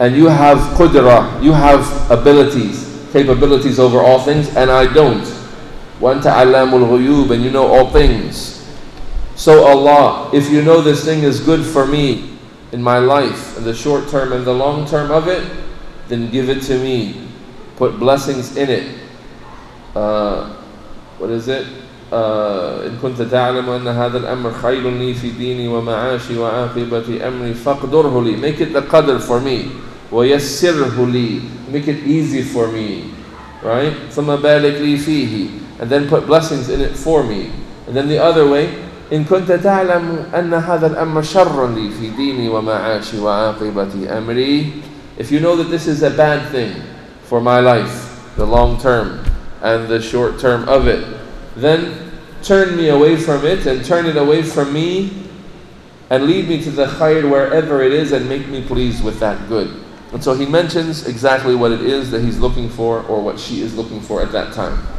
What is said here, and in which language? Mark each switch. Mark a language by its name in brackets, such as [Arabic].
[English] And you have qudra, you have abilities, capabilities over all things, and I don't. [Arabic] وَأَنْتَ عَلَّامُ الْغُيُوبِ. [English] And you know all things. So Allah, if you know this thing is good for me in my life, in the short term and the long term of it, then give it to me. Put blessings in it. What is it? [Arabic] إن كنت تعلم أن هذا الأمر خير لي في ديني ومعاشي وعاقبة أمري فقدره لي. [English] Make it the qadr for me. [Arabic] ويسره لي. [English] Make it easy for me. Right? [Arabic] ثم بارك لي فيه. [English] And then put blessings in it for me. And then the other way. [Arabic] إن كنت تعلم أن هذا الأمر شر لي في ديني ومعاشي وعاقبة أمري. [English] If you know that this is a bad thing for my life, the long term and the short term of it, then turn me away from it and turn it away from me and lead me to the khair wherever it is and make me pleased with that good. And so he mentions exactly what it is that he's looking for or what she is looking for at that time.